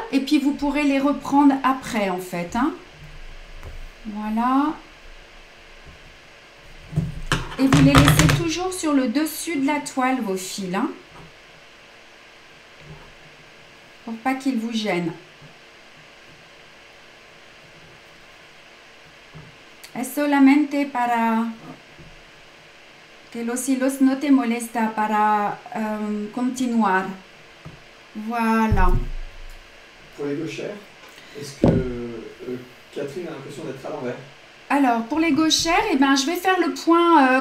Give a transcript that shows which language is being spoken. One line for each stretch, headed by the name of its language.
French: Et puis, vous pourrez les reprendre après, en fait. Hein. Voilà. Et vous les laissez toujours sur le dessus de la toile, vos fils, hein, pour pas qu'ils vous gênent.
Spanish: Es solamente para que los hilos no te molesta para continuar.
French: Voilà. Pour les gauchères, est-ce que Catherine a l'impression d'être à l'envers? Alors, pour les gauchères, eh ben, je vais faire le point.